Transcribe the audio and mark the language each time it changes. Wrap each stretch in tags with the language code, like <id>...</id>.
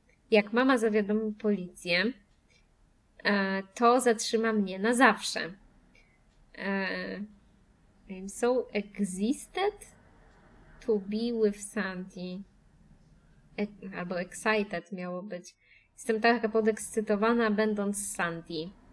<pl>Jak mama zawiadomi policję, to zatrzyma mnie na zawsze.</pl> <en>I'm so existed to be with Santi.</en> <pl>Albo excited miało być. Jestem taka podekscytowana, będąc Santi.</pl>